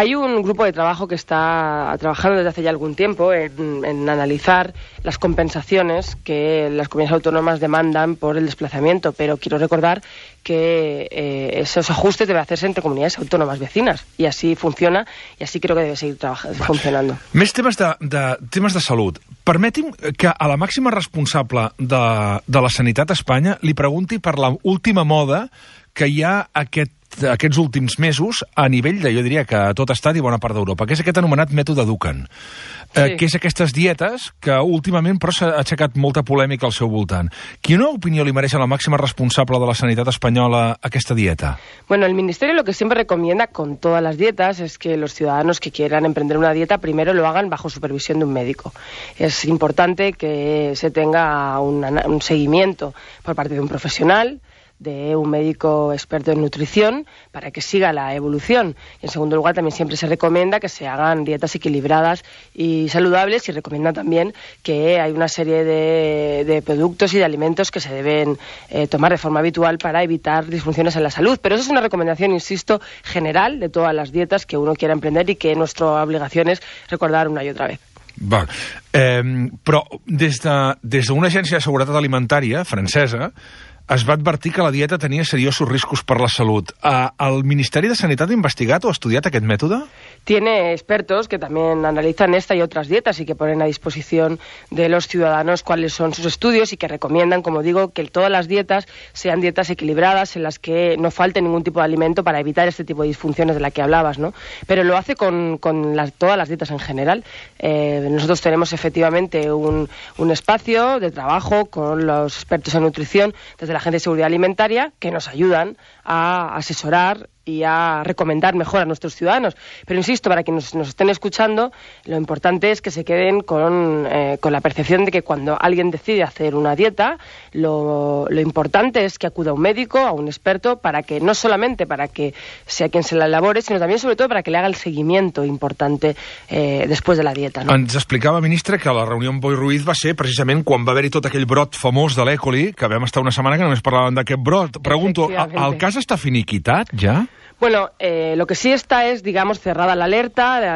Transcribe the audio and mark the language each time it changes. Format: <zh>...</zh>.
<es>Hay un grupo de trabajo que está trabajando desde hace ya algún tiempo en analizar las compensaciones que las comunidades autónomas demandan por el desplazamiento, pero quiero recordar que esos ajustes deben hacerse entre comunidades autónomas vecinas y así funciona y así creo que debe seguir funcionando.</es> <ca>Més temes de salut. Permeti'm que a la màxima responsable de la sanitat a Espanya li pregunti per la última moda que hi ha aquests últims mesos a nivell de, jo diria que a tot estat i bona part d'Europa, que és aquest anomenat mètode Dukan. Sí. Que és aquestes dietes que últimament però s'ha aixecat molta polèmica al seu voltant. Quina opinió li mereix a la màxima responsable de la sanitat espanyola aquesta dieta?</ca> <es>Bueno, el Ministeri lo que siempre recomienda con todas las dietas es que los ciudadanos que quieran emprender una dieta primero lo hagan bajo supervisión de un médico. Es importante que se tenga un seguimiento por parte de un profesional de un médico experto en nutrición para que siga la evolución. En segundo lugar, también siempre se recomienda que se hagan dietas equilibradas y saludables, y recomienda también que hay una serie de productos y de alimentos que se deben tomar de forma habitual para evitar disfunciones en la salud. Pero eso es una recomendación, insisto, general de todas las dietas que uno quiera emprender y que nuestra obligación es recordar una y otra vez.</es> <ca>Bueno, però des d'una agència de seguretat alimentària francesa es va advertir que la dieta tenia seriosos riscos per la salut. El Ministeri de Sanitat ha investigat o ha estudiat aquest mètode?</ca> <es>Tiene expertos que también analizan esta y otras dietas y que ponen a disposición de los ciudadanos cuáles son sus estudios y que recomiendan, como digo, que todas las dietas sean dietas equilibradas en las que no falte ningún tipo de alimento para evitar este tipo de disfunciones de la que hablabas, ¿no? Pero lo hace todas las dietas en general. Nosotros tenemos efectivamente un espacio de trabajo con los expertos en nutrición desde la Agencia de Seguridad Alimentaria que nos ayudan a asesorar y a recomendar mejor a nuestros ciudadanos. Pero insisto, para quienes nos estén escuchando, lo importante es que se queden con la percepción de que cuando alguien decide hacer una dieta, lo importante es que acuda a un médico, a un experto, para que no solamente para que sea quien se la elabore, sino también sobre todo para que le haga el seguimiento importante después de la dieta, ¿no?</es> <ca>Ens explicava, ministre, que la reunió amb Boi Ruiz va ser precisament quan va haver-hi tot aquell brot famós de l'Ecoli, que vam estar una setmana que només parlàvem d'aquest brot. Pregunto, el cas està finiquitat ja?</ca> <es>Bueno, lo que sí está es, digamos, cerrada la alerta.</es>